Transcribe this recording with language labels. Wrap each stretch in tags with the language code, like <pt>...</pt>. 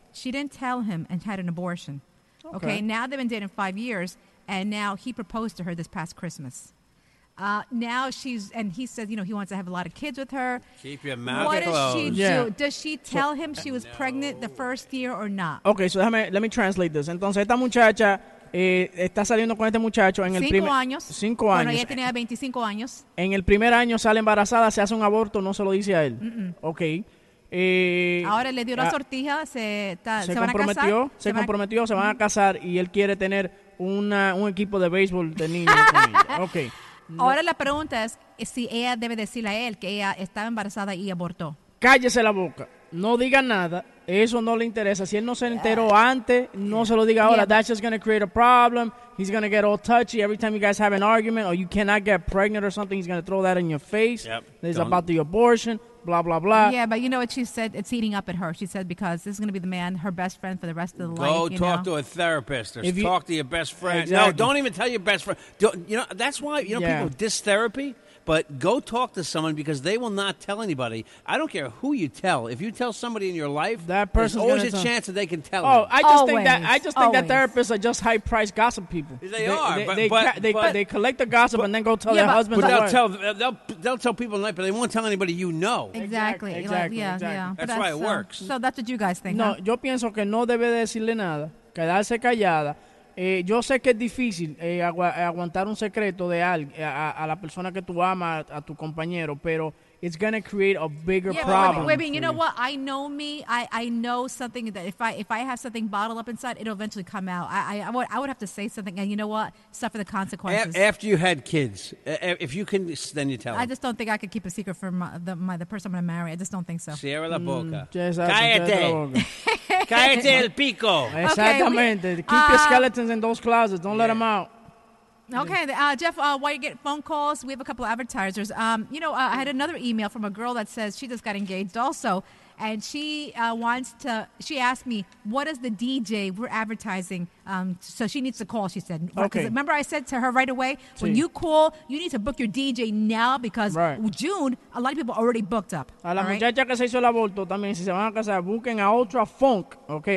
<en>She didn't tell him and had an abortion. Okay. Now they've been dating 5 years. And now he proposed to her this past Christmas. Now she's, and he says, you know, he wants to have a lot of kids with her. Keep your mouth what closed. What does she do? Yeah. Does she tell him she was pregnant the first year or not? Okay, so let me translate this.</en> <es>Entonces, esta muchacha está saliendo con este muchacho en el primer... Cinco años. Bueno, ella tenía 25 años. En el primer año sale embarazada, se hace un aborto, no se lo dice a él. Mm-mm.</es> <en>Okay.</en> <es>Ahora le dio la sortija, se van comprometió, a casar. Se comprometió, se van a casar y él quiere tener... un equipo de béisbol de niños. Okay. Ahora la pregunta es si ella debe decirle a él que ella estaba embarazada y abortó. Cállese la boca. No diga nada. Eso no le interesa. Si él no se enteró antes, no se lo diga ahora.</es> <en>Yeah. That's just going to create a problem. He's going to get all touchy. Every time you guys have an argument or you cannot get pregnant or something, he's going to throw that in your face. Yep. It's about the abortion. Blah, blah, blah. Yeah, but you know what she said? It's eating up at her. She said, because this is going to be the man, her best friend for the rest of the life. Go talk know? To a therapist. Or talk to your best friend. Exactly. No, don't even tell your best friend. You know, that's why, you know, people diss therapy. But go talk to someone because they will not tell anybody. I don't care who you tell. If you tell somebody in your life, that person's there's always a tell. Chance that they can tell you. Oh, them. I just think that therapists are just high-priced gossip people. They collect the gossip and then go tell their husbands. But they'll tell people in life, but they won't tell anybody you know. Exactly. That's why it works. So that's what you guys think. No, huh?</en> <es>Yo pienso que no debe decirle nada, quedarse callada. Yo sé que es difícil aguantar un secreto de alguien a la persona que tú amas, a tu compañero, pero</es> <en>it's going to create a bigger problem. Yeah, but you know what? I know me. I know something that if I have something bottled up inside, it'll eventually come out. I would have to say something, and you know what? Suffer the consequences. After you had kids, if you can, then you tell them. I just don't think I could keep a secret from the person I'm going to marry. I just don't think so.</en> <es>Cierra la boca. Cállate. Cállate el pico. Exactamente.</es> <en>Keep your skeletons in those closets. Don't let them out. Okay, Jeff, while you get phone calls, we have a couple of advertisers. I had another email from a girl that says she just got engaged also, and she asked me, what is the DJ we're advertising? So she needs to call, she said. Okay. Remember I said to her right away, when you call, you need to book your DJ now because June, a lot of people already booked up.</en> <es>A la muchacha que se hizo el aborto también, si se van a casar, busquen a Ultra Funk, okay?</es>